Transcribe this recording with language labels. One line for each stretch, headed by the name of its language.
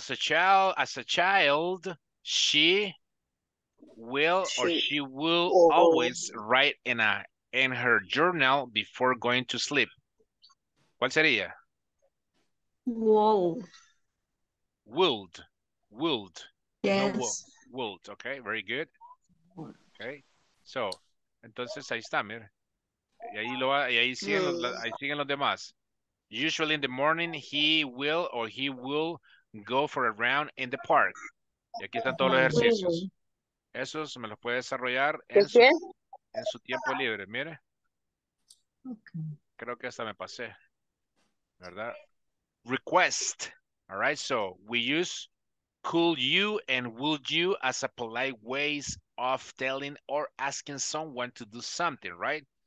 English: As a child, she will always write in her journal before going to sleep.
Spanish: ¿Cuál sería?
English: Would. Yes. No, would. Okay, very good. Okay.
Spanish: So, entonces ahí está, mira. Y ahí lo va, y ahí siguen, ahí siguen los demás.
English: Usually in the morning, he will go for a round in the park.
Spanish: Y aquí están todos los ejercicios. Esos me los puede desarrollar en su tiempo libre, mire.
English: Okay.
Spanish: Creo que hasta me pasé. ¿Verdad?
English: Request, all right, so we use could you and would you as a polite ways of telling or asking someone to do something, right?